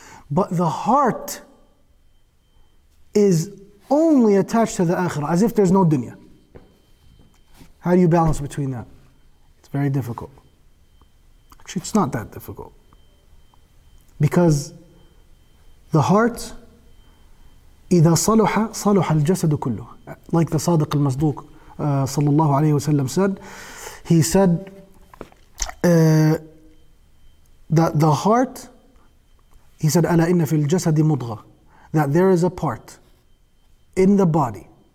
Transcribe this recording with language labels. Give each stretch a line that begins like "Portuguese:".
English: But the heart is only attached to the akhirah, as if there's no dunya. How do you balance between that? It's very difficult. Actually, it's not that difficult. Because the heart,
Arabic: إِذَا صَلُحَ صَلُحَ الْجَسَدُ كُلُّهُ.
English: Like the Sadiq al-Masduq, sallallahu alayhi wa sallam said, he said that the heart, he said,
Arabic: أَلَا إِنَّ فِي الْجَسَدِ مُضْغَى.
English: That there is a part in the body.